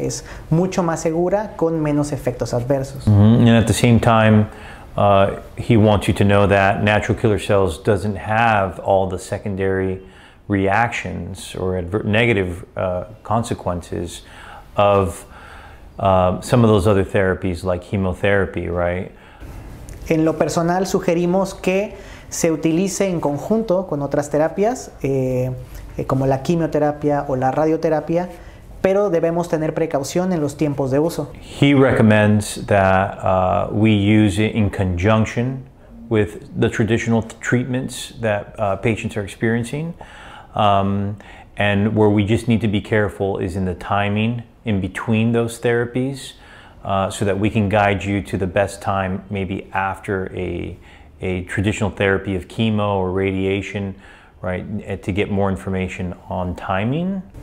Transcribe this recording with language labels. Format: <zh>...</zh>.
<es>Es mucho más segura con menos efectos adversos. Mm-hmm.</es> <en>And at the same time, he wants you to know that natural killer cells doesn't have all the secondary reactions or negative consequences of some of those other therapies like chemotherapy, right?</en> <es>En lo personal, sugerimos que se utilice en conjunto con otras terapias, como la quimioterapia o la radioterapia, pero debemos tener precaución en los tiempos de uso.</es> <en>He recommends that we use it in conjunction with the traditional treatments that patients are experiencing. And where we just need to be careful is in the timing in between those therapies, so that we can guide you to the best time, maybe after a traditional therapy of chemo or radiation, right, to get more information on timing.</en>